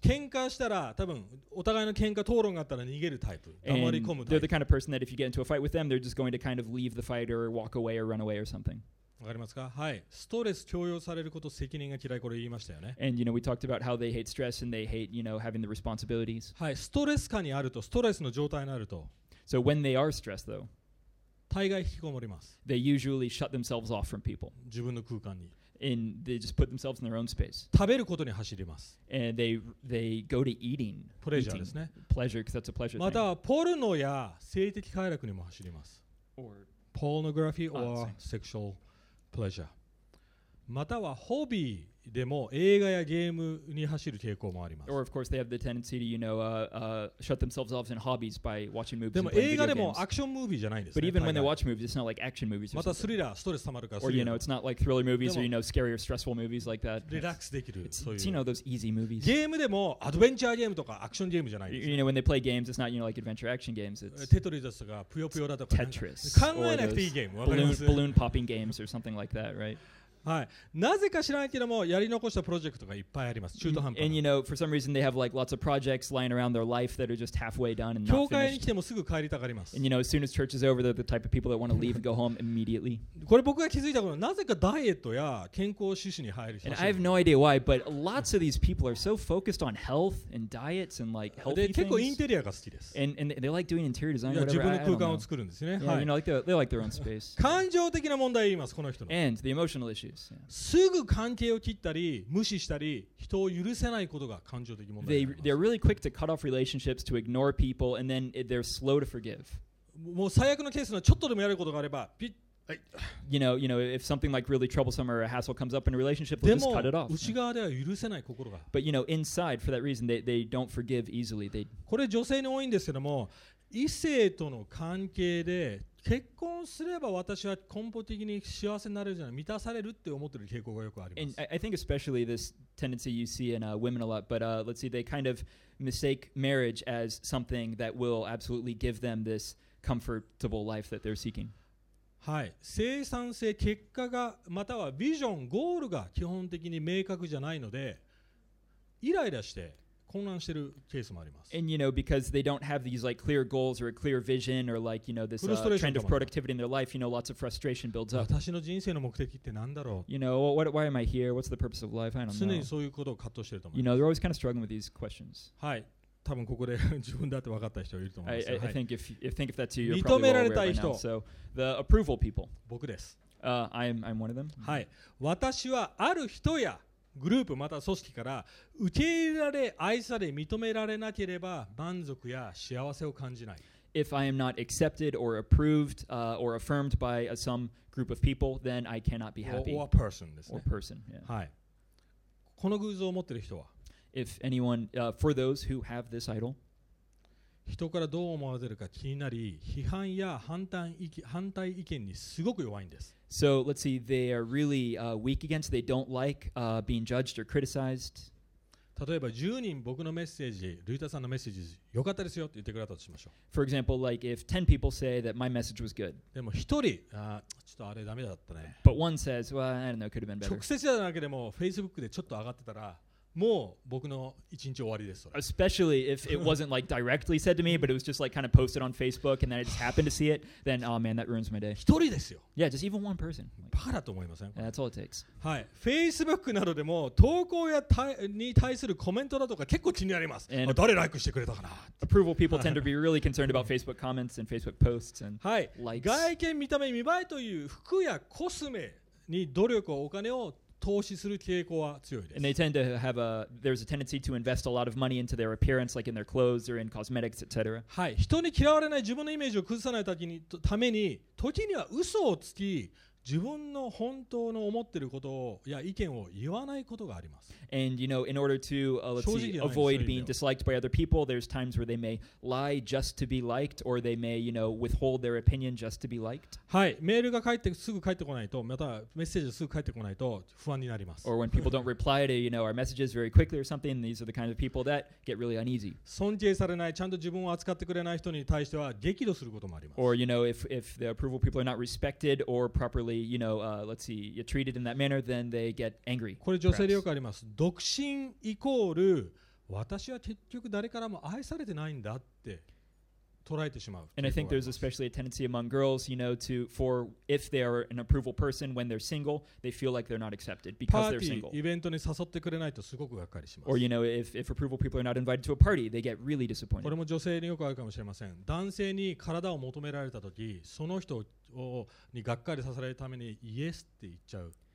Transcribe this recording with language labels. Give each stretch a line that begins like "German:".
Japanese: 喧嘩したら、多分お互いの喧嘩討論があったら逃げるタイプ。黙り込むタイプ。
English: They're the kind of person that if you get into a fight with them, they're just going to kind of leave the fight or walk away or run away or something.
Japanese: わかりますか？はい。ストレス強要されること、責任が嫌い、これ言いましたよね。
English: And you know, we talked about how they hate stress and they hate, you know, having the responsibilities.
Japanese: はい。ストレス下にあると、ストレスの状態になると。
English: So when they are stressed, though.
Japanese: 大概引きこもります。
English: They usually shut themselves off from people.
Japanese: 自分の空間に。
English: And they just put themselves in their own space.
Japanese: 食べることに走ります。
English: And they go to eating.
Japanese: プレジャーですね。
English: Pleasure, because that's a pleasure thing.
Japanese: またはポルノや性的快楽にも走ります。
English: Or pornography or sexual pleasure.
Japanese: またはホビーでも映画やゲームに走る傾向もあります。
English: Or of course they have the tendency to, you know, shut themselves off in hobbies by watching movies.
Japanese: でも映画でもアクションムービーじゃないんですね。
English: But even when they watch movies, it's not like action movies.
Japanese: またスリラー、ストレス溜まるから。
English: Or you know, it's not like thriller movies or you know, scary or stressful movies like that.
Japanese: リラックスできる。
English: It's you know those easy movies.
Japanese: ゲームでもアドベンチャーゲームとかアクションゲームじゃないんです。
English: You know when they play games, it's not you know like adventure action games. It's
Japanese: テトリスとかぷよぷよだとか。
English: Tetris.
Japanese: 考えなくていいゲーム。
English: Balloon popping games or something like that, right?
Japanese: はい、なぜか知らないけどもやり残したプロジェクトがいっぱいあります。中途半端。
English: And you know, for some reason they have like lots of projects lying around their life that are just halfway done and not finished.
Japanese: 教会に来てもすぐ帰りたがります。
English: And you know, as soon as church is over, they're the type of people that want to leave and go home immediately.
Japanese: これ僕が気づいたこと、なぜかダイエットや健康趣旨に入る人。
English: And I have no idea why, but lots of these people are so focused on health and diets and like healthy things.
Japanese: で、結構インテリアが好きです。
English: And they like doing interior design.
Japanese: 自分の空間を作るんですね。
English: Yeah, you know, like they like their own space.
Japanese: 感情的な問題言います、この人の。
English: And the emotional issue.
Japanese: すぐ関係を切ったり無視したり人を許せないことが感情的問題になります。
English: They're really quick to cut off relationships, to ignore people, and then they're slow to forgive.
Japanese: もう最悪のケースのちょっとでもやることがあればピッ。
English: You know, if something like really troublesome or a hassle comes up in a relationship, they'll just cut it off.
Japanese: でも内側では許せない心が。
English: But you know, inside, for that reason, they don't forgive easily. They
Japanese: これ女性に多いんですけども異性との関係で結婚すれば私は根本的に幸せになれるじゃない、満たされるって思ってる傾向がよくあります。
English: And I think especially this tendency you see in women a lot, but let's see, they kind of mistake marriage as something that will absolutely give them this comfortable life that they're seeking.
Japanese: はい、生産性、結果がまたはビジョン、ゴールが基本的に明確じゃないのでイライラして混乱してるケースもあります。
English: And you know, because they don't have these like clear goals or a clear vision or like, you know, this trend of productivity in their life, you know, lots of frustration builds up.
Japanese: 私の人生の目的って何だろう?
English: You know, why am I here? What's the purpose of life? I don't know.
Japanese: 常にそういうことを葛藤してると思います
English: You know, they're always kind of struggling with these questions.
Japanese: はい。多分ここで自分だって分かった人いると思います。
English: I think if that's you, you're probably well aware by now.
Japanese: 認められたい人。
English: So, the approval people.
Japanese: 僕です。
English: I'm one of them.
Japanese: はい。私はある人やグループまた組織から受け入れられ、愛され、認められなければ満足や幸せを感じない。
English: If I am not accepted or approved, or affirmed by some group of people, then I cannot be happy. Or a person
Japanese: ですね。
English: Or person, yeah.
Japanese: はい。この偶像を持ってる人は、
English: If anyone, for those who have this idol,
Japanese: 人からどう思われるか気になり、批判や反対意見にすごく弱いんです。
English: So let's see, they are really weak against, they don't like being judged or criticized.
Japanese: 例えば10人僕のメッセージ、ルイタさんのメッセージ、良かったですよって言ってくれたとしましょう。
English: For example, like if 10 people say that my message was good.
Japanese: でも1人、ちょっとあれダメだったね。
English: But one says, well, I don't know, it could have been better.
Japanese: 直接じゃなくても、Facebook でちょっと上がってたら、もう僕の一日終わりです。
English: Especially if it wasn't like directly said to me, but it was just like kind of posted on Facebook and then I just happened to see it, then oh man, that ruins my day.
Japanese: 一人ですよ。
English: Yeah, just even one person.
Japanese: バカだと思いません。
English: Yeah, that's all it takes.
Japanese: はい。Facebook などでも投稿やに対するコメントだとか結構気になります。
English: And、
Japanese: あ、誰ライクしてくれたかな
English: Approval people tend to be really concerned about Facebook comments and Facebook posts and likes.
Japanese: はい。外見、見た目、見栄えという服やコスメに努力をお金を投資する傾向は強いです。
English: And they tend to have a there's a tendency to invest a lot of money into their appearance, like in their clothes or in cosmetics, etc.
Japanese: はい、人に嫌われない自分のイメージを崩さないために、時には嘘をつき、自分の本当の思っていることをいや意見を言わないことがあります。
English: And you know, in order to avoid being disliked by other people, there's times where they may lie just to be liked, or they may you know withhold their opinion just to be liked.
Japanese: はい、メールがすぐ返ってこないと、またメッセージがすぐ返ってこないと不安になります。
English: Or when people don't reply to you know our messages very quickly or something, these are the kind of people that get really uneasy.
Japanese: 尊敬されない、ちゃんと自分を扱ってくれない人に対しては激怒することもあります。
English: Or you know, if the approval people are not respected or properly actually, you know, let's see, you're treated in that manner, then they get angry.
Japanese: これ女性でよくあります。独身イコール私は結局誰からも愛されてないんだって捉えてしまう。
English: And I think there's especially a tendency among girls, you know, to for if they are an approval person when they're single, they feel like they're not accepted because they're single.
Japanese: パーティーイベントに誘ってくれないとすごくがっかりします。
English: Or you know, if approval people are not invited to a party, they get really disappointed.
Japanese: これも女性によくあるかもしれません。男性に体を求められた時、その人をにがっかりさせられるためにイエスって言っちゃう。